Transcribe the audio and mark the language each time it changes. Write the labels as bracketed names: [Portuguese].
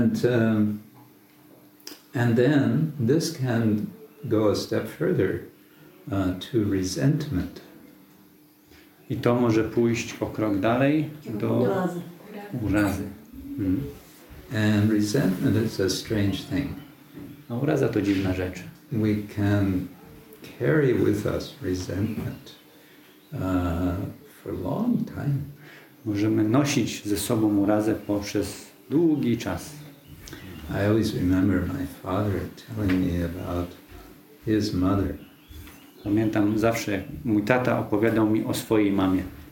[English] And then this can go a step further to resentment. [Polish] I to może pójść o krok dalej do urazy. [English] And resentment is a strange thing. [Polish] A uraza to dziwna rzecz. [English] We can carry with us resentment for a long time. [Polish] Możemy nosić ze sobą urazę poprzez długi czas. [English] I always remember my father telling me about his mother. [Polish] Pamiętam zawsze, mój tata opowiadał mi o swojej mamie.